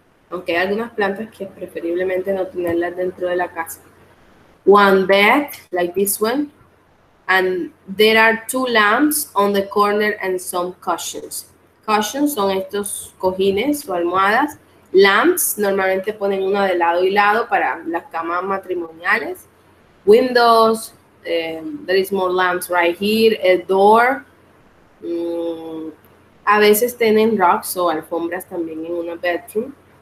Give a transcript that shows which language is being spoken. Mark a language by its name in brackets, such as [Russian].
[Spanish] Aunque hay algunas plantas que preferiblemente no tenerlas dentro de la casa. [English] One bed, like this one, and there are two lamps on the corner and some cushions. [Spanish] Cushions son estos cojines o almohadas. Lamps, normalmente ponen una de lado y lado para las camas matrimoniales. [English] Windows, there is more lamps right here. [Spanish] A door, a veces tienen rugs o alfombras también en una bedroom.